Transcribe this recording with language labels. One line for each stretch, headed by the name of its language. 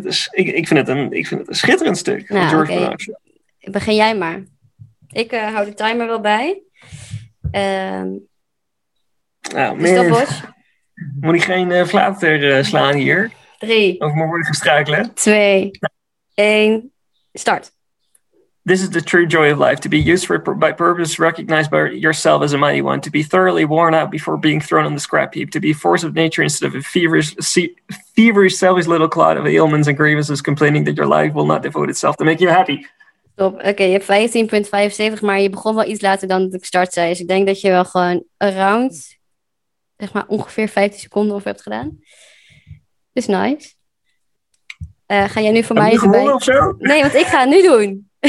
Dutch: Ik vind het een schitterend stuk. Nou, okay. Begin jij maar. Ik hou de timer wel bij. Stopwatch. Moet ik geen flater slaan hier? 3. Of moet ik gestruikelen? 2. 1. Start.
English: This is the true joy of life, to be used by purpose, recognized by yourself as a mighty one, to be thoroughly worn out before being thrown on the scrap heap, to be a force of nature instead of a feverish, selfish little clod of ailments and grievances, complaining that your life will not devote itself to make you happy.
Dutch: Top, okay, je hebt 15.75, maar je begon wel iets later dan ik start zei, dus ik denk dat je wel gewoon around, zeg maar ongeveer 15 seconden of hebt gedaan. Dus nice. Ga jij nu voor mij even bij? Of zo? Nee, want ik ga het nu doen.